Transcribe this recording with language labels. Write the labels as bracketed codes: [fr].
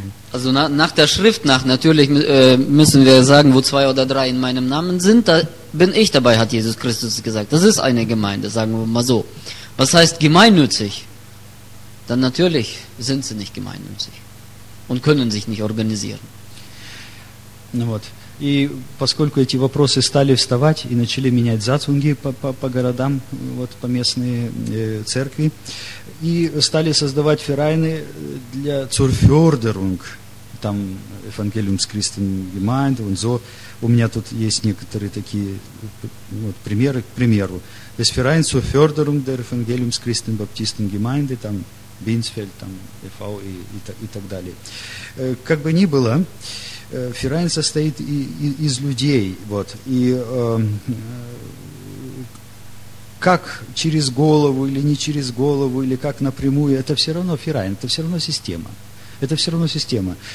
[de] Also nach der Schrift nach, natürlich müssen wir sagen, wo 2 oder 3 in meinem Namen sind, da bin ich dabei, hat Jesus Christus gesagt. Das ist eine Gemeinde, sagen wir mal so. Was heißt gemeinnützig? Dann natürlich sind sie nicht gemeinnützig und können sich nicht organisieren. [ru] Ну вот. И поскольку эти вопросы стали вставать и начали менять зацунги по городам, вот, по местные церкви, и стали создавать ферайны для Zurförderung, [de] там Evangelium Christen Gemeinde und so. [ru] У меня тут есть некоторые такие вот примеры, к примеру. [de] Des Vereins zur Förderung der Evangelium Christen Baptisten Gemeinde, там Binsfeld, там EV [ru] и так далее. Как бы ни было, Ферайн состоит из людей, вот, и как через голову или не через голову, или как напрямую, это все равно Ферайн, это все равно система. Это все равно система.